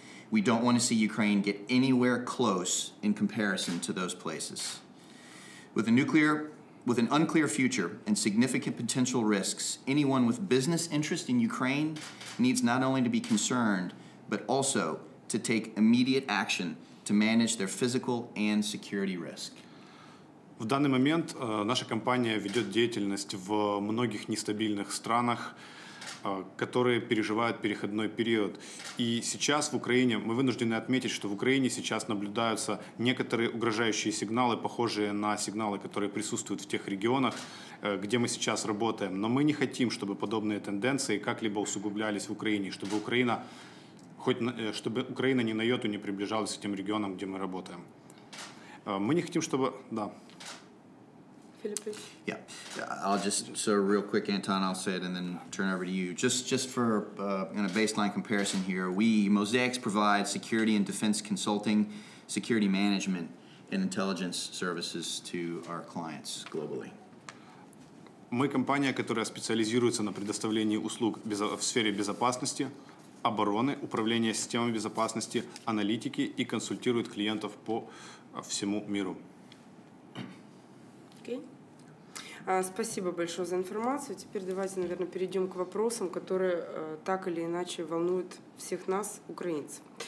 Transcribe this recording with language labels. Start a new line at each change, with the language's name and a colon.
English: We don't want to see Ukraine get anywhere close in comparison to those places. With an unclear future and significant potential risks, anyone with business interest in Ukraine needs not only to be concerned, but also to take immediate action to manage their physical and security risk.
Russian: В данный момент наша компания ведет деятельность в многих нестабильных странах, которые переживают переходной период. И сейчас в Украине, мы вынуждены отметить, что в Украине сейчас наблюдаются некоторые угрожающие сигналы, похожие на сигналы, которые присутствуют в тех регионах, где мы сейчас работаем. Но мы не хотим, чтобы подобные тенденции как-либо усугублялись в Украине, чтобы Украина, чтобы Украина ни на йоту не приближалась к тем регионам, где мы работаем. Мы не хотим, чтобы... Да.
English: Yeah, I'll just, so real quick, Anton, I'll say it and then turn over to you. Just for a baseline comparison here, we, Mosaics, provide security and defense consulting, security management, and intelligence services to our clients globally.
Russian: Мы компания, которая специализируется на предоставлении услуг в сфере безопасности, обороны, управления системами безопасности, аналитики и консультирует клиентов по всему миру. Спасибо большое за информацию. Теперь давайте, наверное, перейдем к вопросам, которые так или иначе волнуют всех нас, украинцев.